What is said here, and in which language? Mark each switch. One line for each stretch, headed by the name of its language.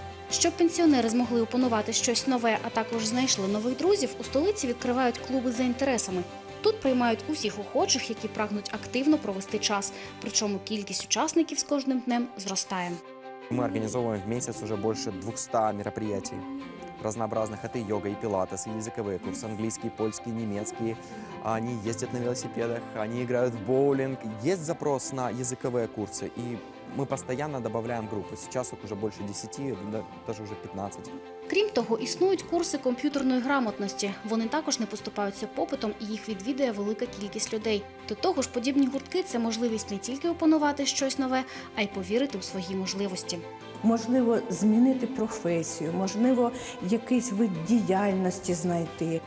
Ukrainian: Щоб пенсіонери змогли опанувати щось нове, а також знайшли нових друзів, у столиці відкривають клуби за інтересами. Тут приймають усіх охочих, які прагнуть активно провести час. Причому кількість учасників з кожним днем зростає. Ми організовуємо в місяць вже більше 200 мероприятий.
Russian: Разнообразных. Это и йога, и пилатес, и языковые курсы, английский, польский, немецкий. Они ездят на велосипедах, они играют в боулинг. Есть запрос на языковые курсы, и мы постоянно добавляем группы. Сейчас их уже больше 10, даже уже 15.
Ukrainian: Крім того, існують курси комп'ютерної грамотності. Вони також не поступаються попитом і їх відвідує велика кількість людей. До того ж, подібні гуртки – це можливість не тільки опанувати щось нове, а й повірити у свої можливості. Можливо, змінити професію, можливо, якийсь вид діяльності знайти.